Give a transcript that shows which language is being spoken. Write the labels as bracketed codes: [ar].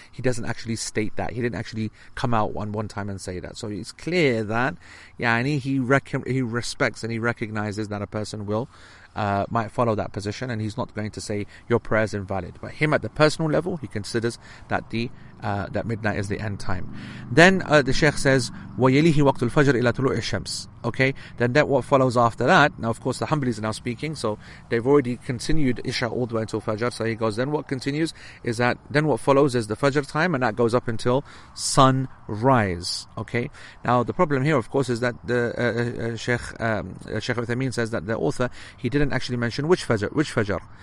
[en] He doesn't actually state that. He didn't actually come out one time and say that. So it's clear that, he respects and he recognizes that a person might follow that position, and he's not going to say your prayer is invalid. But him at the personal level, he considers that that midnight is the end time. Then the Sheikh says, [ar] وَيَلِهِ وَقْتُ الْفَجْرِ إِلَى طُلُوعِ الشَّمْسِ. [en] Okay, then that what follows after that, now of course the Hanbalis are now speaking, so they've already continued Isha all the way until Fajr. So he goes, then what continues is that, then what follows is the Fajr time, and that goes up until sunrise. Okay, now the problem here, of course, is that the Sheikh Uthaymeen says that the author, he didn't actually mention which Fajr.